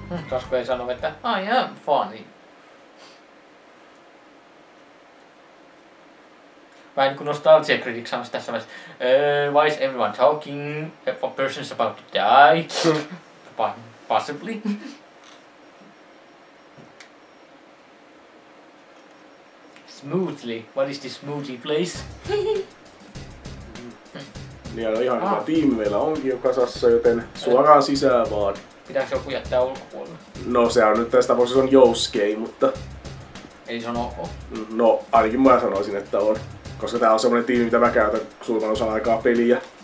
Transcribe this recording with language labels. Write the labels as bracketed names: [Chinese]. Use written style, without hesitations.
[Finnish] Koska ei sano, että [English] I am funny. [Finnish] Vähän kuin nostalgia critic sanoisi tässä vaiheessa. [English] Why is everyone talking? A person is about to die. Possibly. Smoothly. What is this smoothie place? [Finnish] Niin on ihan hyvä tiimi meillä onkin jo kasassa, joten suoraan sisään vaan. Pitääks joku jättää ulkopuolella? No se on nyt tässä tapauksessa on jouskei, mutta... Ei se on ok? No ainakin mä sanoisin, että on. Koska tää on semmonen tiimi, mitä mä käytän suurman osan aikaa peliä.